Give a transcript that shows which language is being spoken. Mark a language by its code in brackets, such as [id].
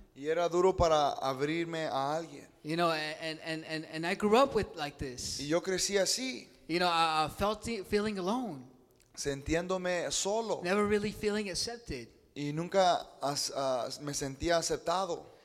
[es] Y era duro para abrirme a alguien. [en] You know, and I grew up with like this. [es] Y yo crecí así. [en] You know, I felt feeling alone. [es] Sintiéndome solo. [en] Never really feeling accepted. [es] Y nunca me sentía aceptado.